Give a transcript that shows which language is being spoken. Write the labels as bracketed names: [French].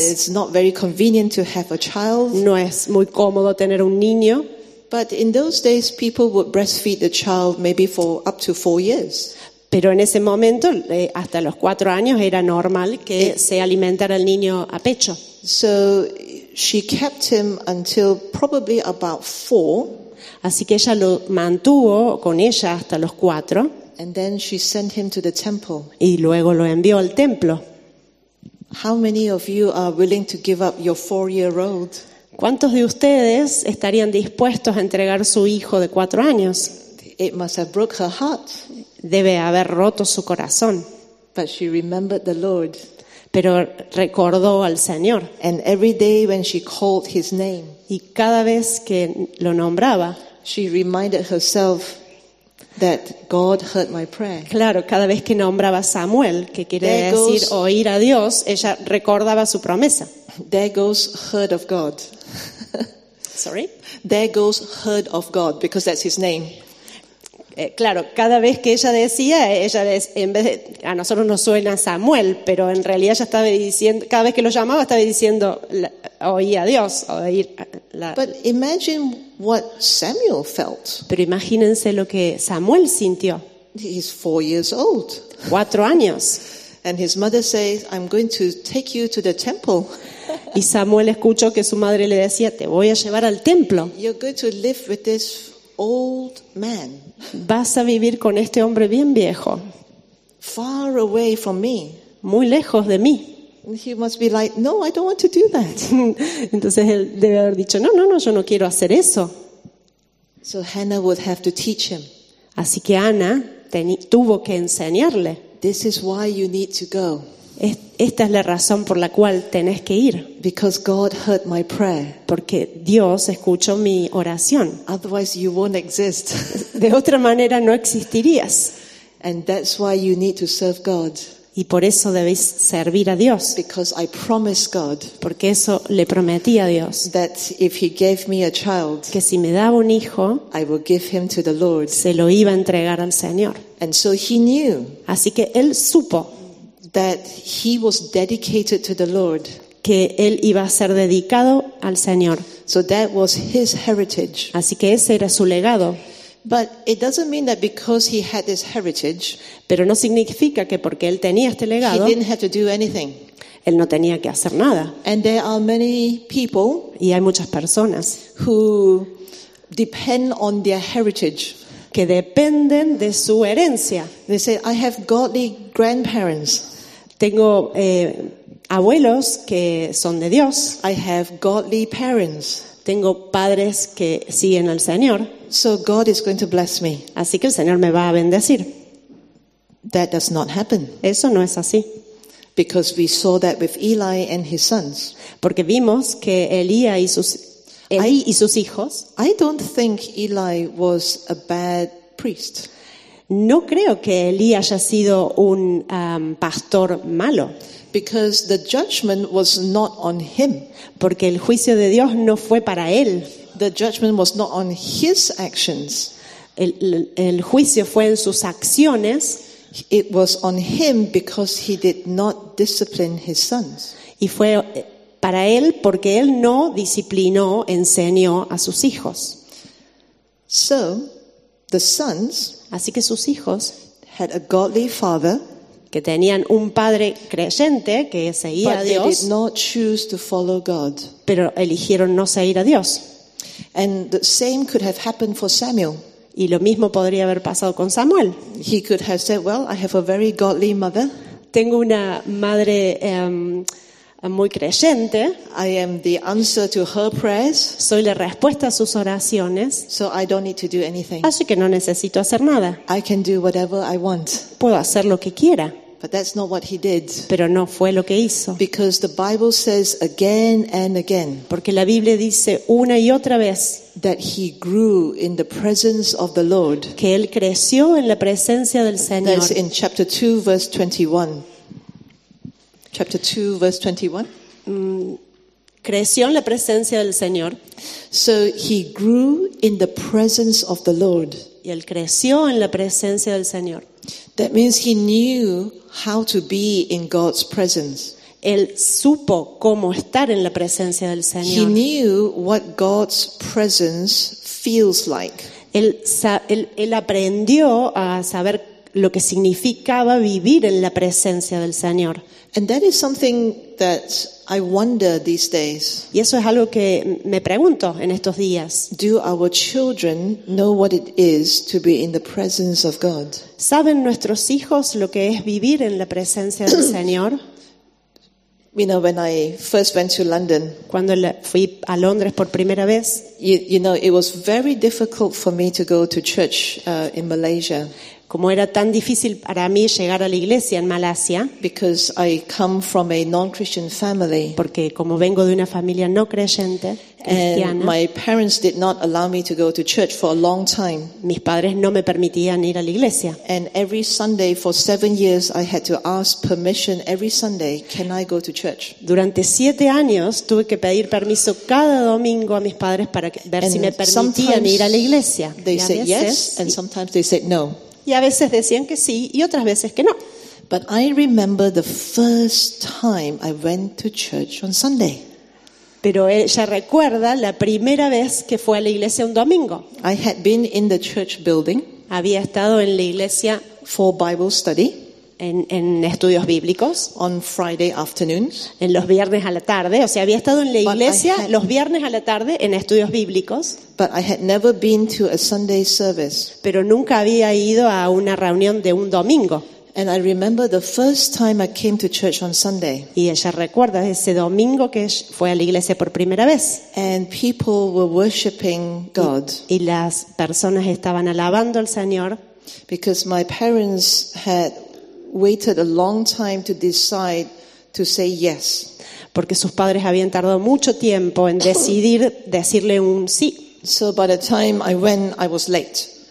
[English] It's not very convenient to have a child. [Spanish] No es muy cómodo tener un niño. [English] But in those days, people would breastfeed the child maybe for up to 4 years. [Spanish] Pero en ese momento, hasta los 4 años, era normal que se alimentara el niño a pecho. [English] So she kept him until probably about 4. [Spanish] Así que ella lo mantuvo con ella hasta los 4. [English] And then she sent him to the temple. [Spanish] Y luego lo envió al templo. [English] How many of you are willing to give up your 4-year-old? [Spanish] ¿Cuántos de ustedes estarían dispuestos a entregar su hijo de 4 años? [English] It must have broke her heart. [Spanish] Debe haber roto su corazón. [English] But she remembered the Lord. [Spanish] Pero recordó al Señor. [English] And every day when she called his name, [Spanish] y cada vez que lo nombraba, [English] she reminded herself that God heard my prayer. [Spanish] Claro, cada vez que nombraba a Samuel, que quiere decir oír a Dios, ella recordaba su promesa. [English] There goes heard of God. Sorry? There goes heard of God, because that's his name. [Spanish] Claro, cada vez que ella decía, a nosotros nos suena Samuel, pero en realidad ella estaba diciendo, cada vez que lo llamaba estaba diciendo, oí a Dios, oí la. [English] But imagine what Samuel felt. [Spanish] Pero imagínense lo que Samuel sintió. [English] He's 4 years old. [Spanish] 4 años. [English] And his mother says, "I'm going to take you to the temple." [Spanish] Y Samuel escuchó que su madre le decía, "Te voy a llevar al templo." [English] You're going to live with this old man. [Spanish] Vas a vivir con este hombre bien viejo. [English] Far away from me. [Spanish] Muy lejos de mí. [English] He must be like, "No, I don't want to do that." [Spanish] Entonces él debe haber dicho, "No, yo no quiero hacer eso." [English] So Hannah would have to teach him. [Spanish] Así que Ana tuvo que enseñarle. [English] This is why you need to go. [Spanish] Esta es la razón por la cual tenés que ir. [English] Because God heard my prayer. [Spanish] Porque Dios escuchó mi oración. [English] Otherwise you won't exist. [Spanish] De otra manera no existirías. [English] And that's why you need to serve God. [Spanish] Y por eso debéis servir a Dios. [English] Because I promised God. [Spanish] Porque eso le prometí a Dios. [English] That if he gave me a child, [Spanish] que si me daba un hijo, [English] I will give him to the Lord. [Spanish] Se lo iba a entregar al Señor. [English] And so he knew. [Spanish] Así que él supo. [English] That he was dedicated to the Lord. [Spanish] Que él iba a ser dedicado al Señor. [English] So that was his heritage. [Spanish] Así que ese era su legado. [English] But it doesn't mean that because he had this heritage, [Spanish] pero no significa que porque él tenía este legado, [English] he didn't have to do anything. [Spanish] Él no tenía que hacer nada. [English] And there are many people, [Spanish] y hay muchas personas, [English] who depend on their heritage. [Spanish] Que dependen de su herencia. [English] They say, I have godly grandparents. [Spanish] Tengo abuelos que son de Dios. [English] I have godly parents. [Spanish] Tengo padres que siguen al Señor. [English] So God is going to bless me. [Spanish] Así que el Señor me va a bendecir. [English] That does not happen. [Spanish] Eso no es así. [English] Because we saw that with Eli and his sons. [Spanish] Porque vimos que Eli y sus hijos. [English] I don't think Eli was a bad priest. [Spanish] No creo que Eli haya sido un pastor malo. [English] Because the judgment was not on him. [Spanish] Porque el juicio de Dios no fue para él. [English] The judgment was not on his actions. [Spanish] El juicio fue en sus acciones. [English] It was on him because he did not discipline his sons. [Spanish] Y fue para él porque él no disciplinó, enseñó a sus hijos. [English] So, the sons, [Spanish] así que sus hijos, [English] had a godly father, [Spanish] que tenían un padre creyente que seguía [English] but [Spanish] a Dios, [English] they did not choose to follow God. [Spanish] Pero eligieron no seguir a Dios. [English] And the same could have happened for Samuel. [Spanish] Y lo mismo podría haber pasado con Samuel. [English] He could have said, "Well, I have a very godly mother." [Spanish] Tengo una madre muy creyente. [English] I am the answer to her prayers. [Spanish] Soy la respuesta a sus oraciones. [English] So I don't need to do anything. [Spanish] Así que no necesito hacer nada. [English] I can do whatever I want. [Spanish] Puedo hacer lo que quiera. [English] But that's not what he did. [Spanish] Pero no fue lo que hizo. [English] Because the Bible says again and again. [Spanish] Porque la Biblia dice una y otra vez. [English] That he grew in the presence of the Lord. [Spanish] Que él creció en la presencia del Señor. [English] That's in chapter 2, verse 21. Chapter 2, verse 21. [Spanish] Creció en la presencia del Señor. [English] So he grew in the presence of the Lord. [Spanish] Y él creció en la presencia del Señor. [English] That means he knew how to be in God's presence. [Spanish] Él supo cómo estar en la presencia del Señor. [English] He knew what God's presence feels like. [Spanish] Él aprendió a saber lo que significaba vivir en la presencia del Señor. [English] And that is something that I wonder these days. [Spanish] Y eso es algo que me pregunto en estos días. [English] Do our children know what it is to be in the presence of God? [Spanish] ¿Saben nuestros hijos lo que es vivir en la presencia del Señor? [English] You know, when I first went to London, [Spanish] cuando fui a Londres por primera vez, [English] you know, it was very difficult for me to go to church in Malaysia. [Spanish] Como era tan difícil para mí llegar a la iglesia en Malasia, [English] because I come from a non-Christian family, [Spanish] porque como vengo de una familia no creyente, cristiana, [English] and my parents did not allow me to go to church for a long time. [Spanish] Mis padres no me permitían ir a la iglesia. [English] And every Sunday for 7 years, I had to ask permission every Sunday, can I go to church? [Spanish] Durante 7 años tuve que pedir permiso cada domingo a mis padres para ver [English] and [Spanish] si me permitían ir a la iglesia. [English] They said yes, and sometimes they said no. [Spanish] Y a veces decían que sí y otras veces que no. [English] But I remember the first time I went to church on Sunday. [Spanish] Pero ella recuerda la primera vez que fue a la iglesia un domingo. [English] I had been in the church building. [Spanish] Había estado en la iglesia [English] for Bible study. [Spanish] en estudios bíblicos. [English] On Friday afternoons. [Spanish] En los viernes a la tarde. O sea, había estado en la iglesia los viernes a la tarde en estudios bíblicos. [English] But I had never been to a Sunday service. [Spanish] Pero nunca había ido a una reunión de un domingo. [English] And I remember the first time I came to church on Sunday. [Spanish] Y ella recuerda ese domingo que fue a la iglesia por primera vez. [English] And people were worshiping God. [Spanish] Y las personas estaban alabando al Señor. [English] Because my parents had waited a long time to decide to say yes. [Spanish] Porque sus padres habían tardado mucho tiempo en decidir decirle un sí. [English] So by the time I went, I was late.